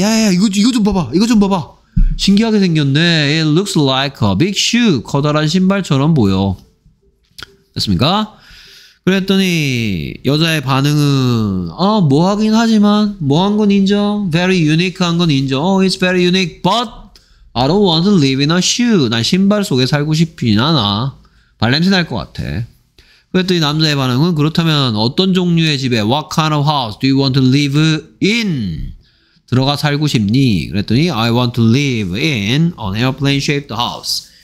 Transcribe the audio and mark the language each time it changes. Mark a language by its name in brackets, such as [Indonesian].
[Korean] 야야야 이거 좀 봐봐! 이거 좀 봐봐! 신기하게 생겼네! [English] It looks like a big shoe! [Korean] 커다란 신발처럼 보여. 됐습니까? 그랬더니 여자의 반응은 어, 뭐 하긴 하지만 뭐 한 건 인정. [English] Very unique [Korean] 한 건 인정. [English] Oh, it's very unique. But I don't want to live in a shoe. [Korean] 난 신발 속에 살고 싶진 않아. 발냄새 날 것 같아. 그랬더니 남자의 반응은 그렇다면 어떤 종류의 집에 [English] What kind of house do you want to live in? [Korean] 들어가 살고 싶니? 그랬더니 [English] I want to live in an airplane shaped house.